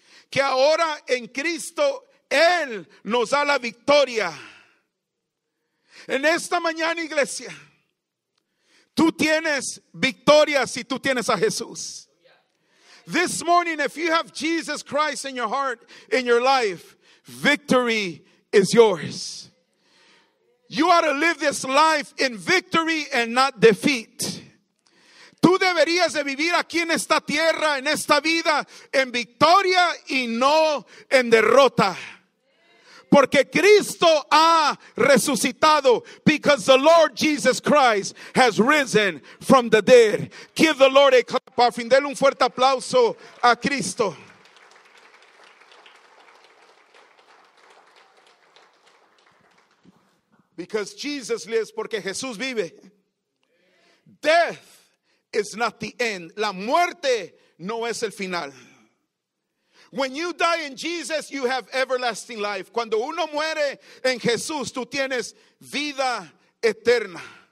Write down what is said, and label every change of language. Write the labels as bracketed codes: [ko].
[es] Que ahora en Cristo, Él nos da la victoria. En esta mañana, iglesia, tú tienes victoria si tú tienes a Jesús. [en] This morning, if you have Jesus Christ in your heart, in your life, victory is yours. You ought to live this life in victory and not defeat. [es] Tú deberías de vivir aquí en esta tierra, en esta vida, en victoria y no en derrota. Porque Cristo ha resucitado. [en] Because the Lord Jesus Christ has risen from the dead. Give the Lord a clap. [es] Al fin, dele un fuerte aplauso a Cristo. [en] Because Jesus lives, [es] porque Jesús vive. [en] Death is not the end. [es] La muerte no es el final. [en] When you die in Jesus, you have everlasting life. [es] Cuando uno muere en Jesús, tú tienes vida eterna.